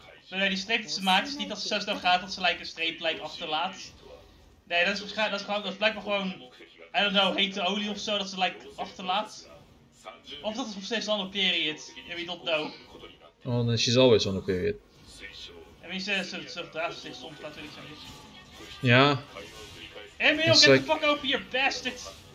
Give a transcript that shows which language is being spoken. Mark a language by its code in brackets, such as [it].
[nl] Nee, die streep die ze maakt is niet dat ze zo snel gaat dat ze een streep achterlaat. Nee, dat is blijkbaar gewoon, [en] I don't know, [nl] hete olie of zo dat ze achterlaat. Of dat is nog steeds [en] on a period, and we don't know. Oh, then she's always on a period. I mean, [nl] ze verdraagt zich soms natuurlijk zo niet. Ja. [en] Emil, it's get like... the fuck over your bastard!